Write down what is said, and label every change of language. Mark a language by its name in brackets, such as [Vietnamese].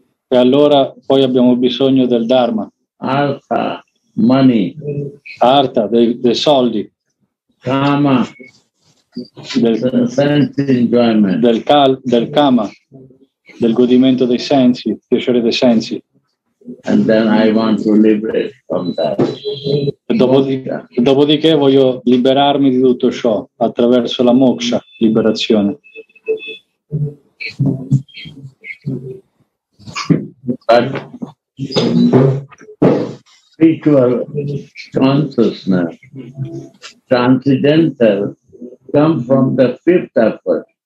[Italian] E allora poi abbiamo bisogno del dharma. [English] Artha, money. [Italian] Artha, dei soldi. Kama. Del [English] sense enjoyment. [Italian] Del kama, del godimento dei sensi, piacere dei sensi. [English] And then I want to liberate from that. [Italian] Dopodiché voglio liberarmi di tutto ciò attraverso la moksha, liberazione. [English] But spiritual consciousness, transcendental, come from the fifth effort.